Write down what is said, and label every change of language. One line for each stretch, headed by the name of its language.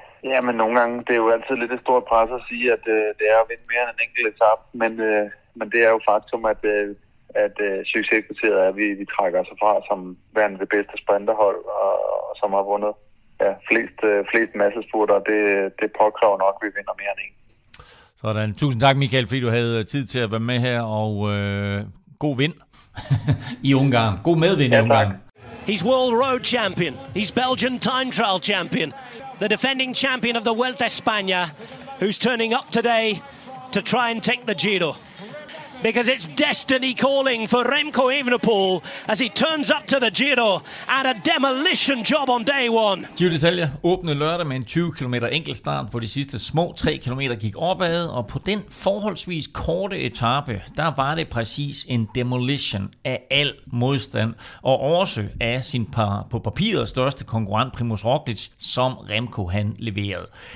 Danish: Ja, men nogle gange, det er jo altid lidt et stort pres at sige, at det er at vinde mere end en enkelt etape, men det er jo faktum, at succeskriteriet er, at vi trækker os fra som værende det bedste sprinterhold, og som har vundet ja, flest massespurter, det påkræver nok, at vi vinder mere end en. Sådan. Tusind tak, Michael, fordi du havde tid til at være med her, og god vind i Ungarn. God medvind i Ungarn.
English: He's world road champion. He's Belgian time trial champion. the defending champion of the Vuelta a España, who's turning up today to try and take the Giro. Because it's destiny calling for Remco Evenepoel as he turns up to the Giro at a demolition job on day one.
Danish: Giro d'Italia åbnede lørdag med en 20 km enkeltstart, hvor de sidste små 3 km gik opad, og på den forholdsvis korte etape, der var det præcis en demolition af al modstand, og også af sin på papiret største konkurrent Primoz Roglic, som Remco han leverede.